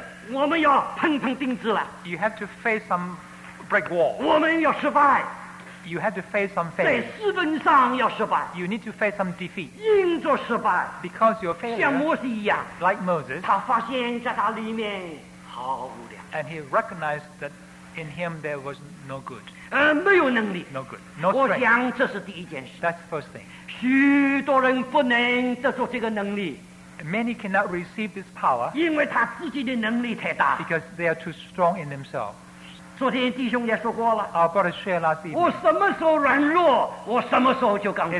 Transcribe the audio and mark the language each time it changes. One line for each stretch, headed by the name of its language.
Chinese: 我们要碰钉子了,
English: you have to face some brick wall.
Chinese: 我们要失败,
English: you have to face some failure.
Chinese: 在事情上要失败,
English: you need to face some defeat.
Chinese: 因着失败,
English: because you're failure,
Chinese: 像摩西一样,
English: like Moses,
Chinese: 他发现在他里面毫无良,
English: and he recognized that in him there was no good.
Chinese: 没有能力,
English: no good, no strength.
Chinese: 我讲这是第一件事,
English: that's the first thing.
Chinese: 许多人不能得着这个能力,
English: many cannot receive this power,
Chinese: 因为他自己的能力太大,
English: because they are too strong in themselves.
Chinese: 昨天弟兄也说过了,
English: our brother shared last evening,
Chinese: 我什么时候软弱, 我什么时候就刚强,